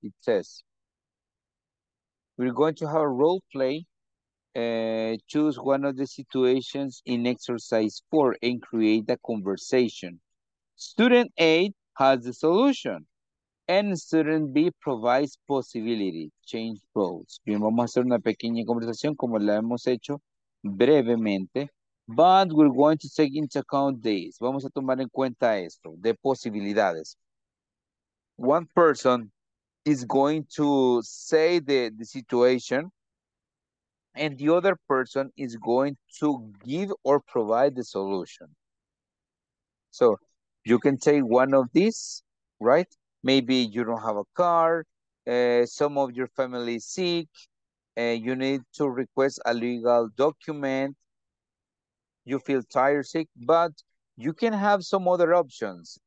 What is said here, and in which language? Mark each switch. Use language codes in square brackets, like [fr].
[en] It says we're going to have a role play. Choose one of the situations in exercise 4 and create a conversation. Student A has the solution and student B provides possibility. Change roles. [es] Bien, vamos a hacer una pequeña conversación como la hemos hecho brevemente. [en] But we're going to take into account this. [es] Vamos a tomar en cuenta esto de posibilidades. [en] One person is going to say the situation. And the other person is going to give or provide the solution. So you can take one of these, right? Maybe you don't have a car, some of your family is sick, you need to request a legal document, you feel tired, sick, but you can have some other options.